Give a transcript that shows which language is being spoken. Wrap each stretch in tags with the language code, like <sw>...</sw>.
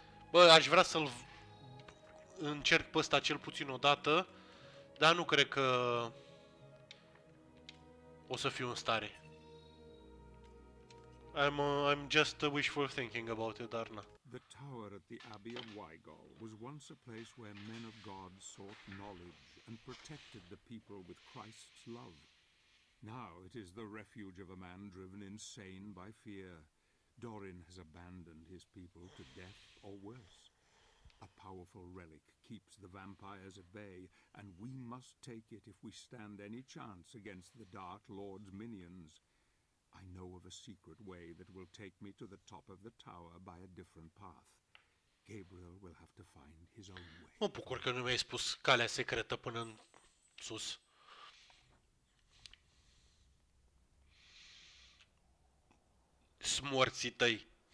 <ro>Bă, aș vrea să-l încerc pe ăsta cel puțin o dată, dar nu cred că o să fiu în stare.</ro> <en>I'm just wishful thinking about it, Arna. The tower at the Abbey of Wygol was once a place where men of God sought knowledge and protected the people with Christ's love. Now it is the refuge of a man driven insane by fear. Dorin has abandoned his people to death or worse. A powerful relic keeps the vampires at bay, and we must take it if we stand any chance against the Dark Lord's minions. I know of a secret way that will take me to the top of the tower by a different path. Gabriel will have to find his own way.</en> <ro>Mă bucur că nu mi-ai spus calea secretă până în sus. Smorții tăi.</ro>